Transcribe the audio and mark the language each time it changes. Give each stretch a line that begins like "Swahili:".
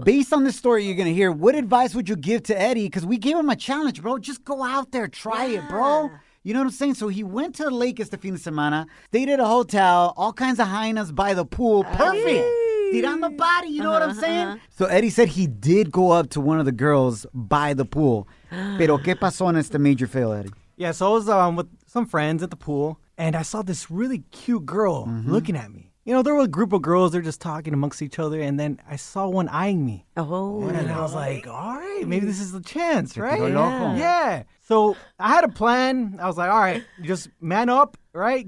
English: Based on the story you're going to hear, what advice would you give to Eddie? Because we gave him a challenge, bro. Just go out there. Try it, bro. You know what I'm saying? So he went to the lake
Spanish: este fin de semana,
English: stayed at a hotel, all kinds of hyenas by the pool. Perfect. Tirando the body. You know what I'm saying? So Eddie said he did go up to one of the girls by the pool.
Spanish: Pero ¿qué pasó en este major fail, Eddie?
English: Yeah, so I was with some friends at the pool. And I saw this really cute girl looking at me. You know, there were a group of girls. They're just talking amongst each other. And then I saw one eyeing me. Oh. And I was like, all right, maybe this is the chance, right? Yeah. So I had a plan. I was like, all right, just man up, right?